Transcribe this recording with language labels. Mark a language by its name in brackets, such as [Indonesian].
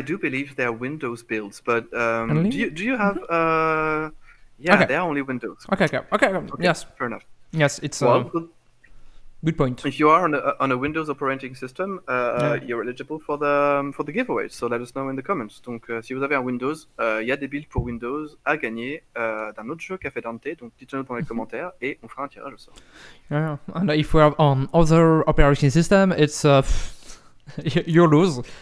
[English] do believe they are Windows builds, but do you have okay. They are only Windows. Okay. Yes, fair enough. Yes, it's good point. If you are on a Windows operating system, you're eligible for the giveaway. So let us know in the comments. [French] Donc, si vous avez un Windows, il y a des builds pour Windows à gagner d'un autre jeu Café Dante. Donc, dites-nous dans les commentaires et on fera un tirage au sort. [English] Yeah, and if we have on other operating system, it's you lose.